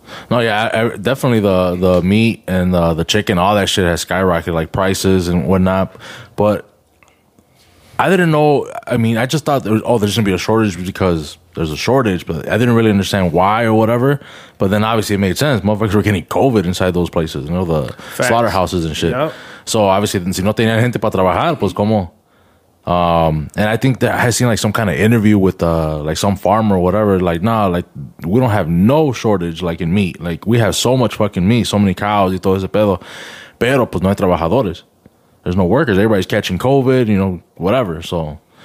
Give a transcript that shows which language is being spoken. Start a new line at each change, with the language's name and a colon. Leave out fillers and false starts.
English: No, yeah, I definitely the meat and the chicken, all that shit has skyrocketed, like prices and whatnot. But I didn't know. I mean, I just thought there's gonna be a shortage because there's a shortage. But I didn't really understand why or whatever. But then obviously it made sense. Motherfuckers were getting COVID inside those places, you know, the Facts. Slaughterhouses and shit. Yep. So obviously,
Spanish: si no tenían gente para trabajar, pues cómo.
English: And I think that I seen like some kind of interview with like some farmer or whatever. Like, nah, like we don't have no shortage like in meat. Like we have so much fucking meat, so many cows
Spanish: y todo ese pedo. Pero pues no hay trabajadores.
English: There's no workers. Everybody's catching COVID, you know, whatever. So,